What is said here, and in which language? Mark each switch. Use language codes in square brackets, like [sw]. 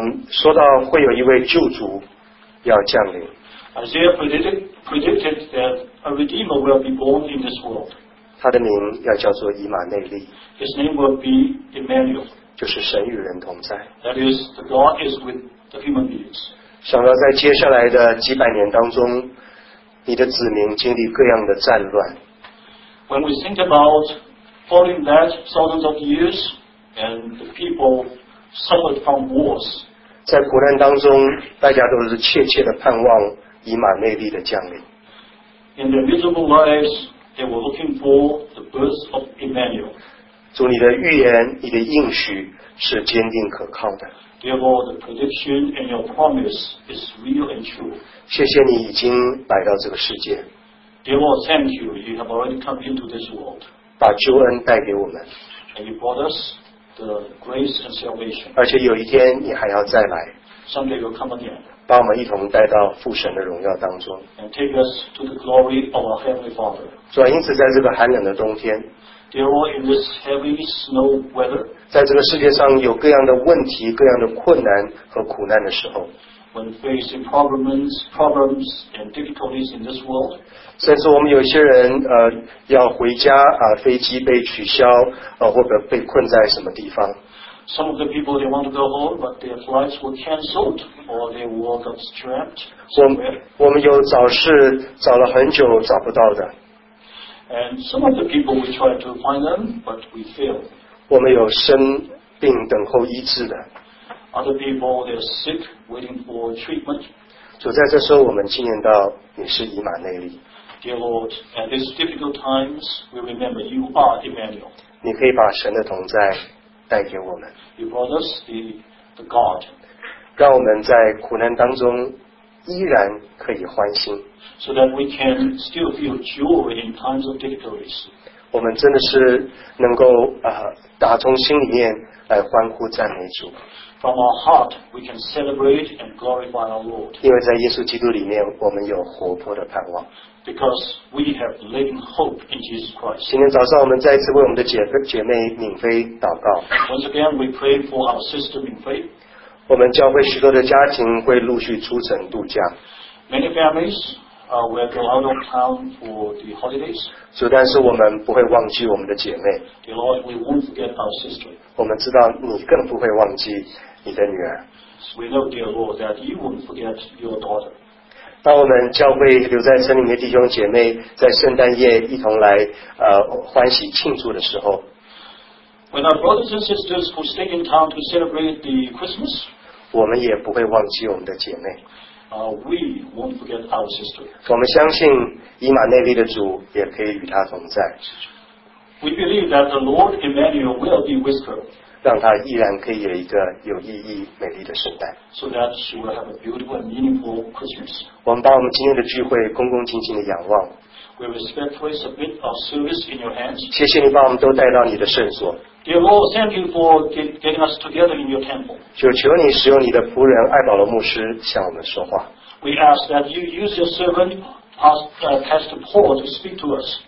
[zh] 说到会有一位救主要降临。 [en] Isaiah predicted that a redeemer will be born in this world. [zh] 他的名要叫做以马内利。 [en] His name will be Emmanuel. [zh] 就是神与人同在。 [en] That is, the God is with the human beings. [zh] 想到在接下来的几百年当中，你的子民经历各样的战乱。 [en] When we think about following that thousands of years and the people suffered from wars, [zh] 在苦难当中，大家都是切切的盼望以马内利的降临。 [en] In their miserable lives, they were looking for the birth of Emmanuel. [zh] 主，你的预言，你的应许是坚定可靠的。 [en] Therefore, the prediction and your promise is real and true. [zh] 谢谢你已经来到这个世界。 [en] Dear Lord, thank you. You have already come into this world. [zh] 把救恩带给我们。 [en] And you brought us the grace and salvation. [zh] 而且有一天你还要再来。 [en] Someday you'll come again. [zh] 把我们一同带到父神的荣耀当中。 [en] And take us to the glory of our Heavenly Father. [zh] 主啊，因此在这个寒冷的冬天。 [en] Dear Lord, in this heavy snow weather. [zh] 在这个世界上有各样的问题、各样的困难和苦难的时候。 [en] When facing problems and difficulties in this world, [zh] 甚至我们有些人要回家飞机被取消或者被困在什么地方。 [en] Some of the people they want to go home, but their flights were cancelled or they were got trapped somewhere. [zh] 我们有找事找了很久找不到的。 [en] And some of the people we tried to find them, but we failed. [zh] 我们有生病等候医治的。 [en] Other people, they're sick, waiting for treatment. [zh] 主，在这时候我们纪念到你是以马内利。 [en] Dear Lord, at these difficult times, we remember you are Emmanuel. [zh] 你可以把神的同在带给我们。 [en] You brought us the God. [zh] 让我们在苦难当中依然可以欢欣。 [en] So that we can still feel joy in times of difficulties. [zh] 我们真的是能够打从心里面来欢呼赞美主。 [en] From our heart, we can celebrate and glorify our Lord. [zh] 因为在耶稣基督里面，我们有活泼的盼望。 [en] Because we have living hope in Jesus Christ. [zh] 今天早上，我们再一次为我们的姐妹敏菲祷告。 [en] Once again, we pray for our sister 敏菲。 [zh] 我们教会许多的家庭会陆续出城度假。 [en] Many families will go out of town for the holidays. [zh] 主，但是我们不会忘记我们的姐妹。 [en] Dear Lord, we won't forget our sister. [zh] 我们知道你更不会忘记你的女儿。 [en] So、we know, dear Lord, that you won't forget your daughter. [zh] 当我们教会留在城里面的弟兄姐妹在圣诞夜一同来欢喜庆祝的时候。 [en] When our brothers and sisters who stay in town to celebrate the Christmas, [zh] 我们也不会忘记我们的姐妹。 [en] We won't forget our sister. [zh] 我们相信以马内利的主也可以与她同在。 [en] We believe that the Lord Emmanuel will be with her. [zh] 让她依然可以有一个有意义、美丽的圣诞。 [en] So that she will have a beautiful and meaningful Christmas. [zh] 我们把我们今天的聚会恭恭敬敬的仰望。 [en] We respectfully submit our service in your hands. [zh] 谢谢你把我们都带到你的圣所。 [en] Dear Lord, thank you for getting us together in your temple. [zh] 就求你使用你的仆人爱保罗牧师向我们说话。 [en] We ask that you use your servant, Pastor Paul, to speak to us.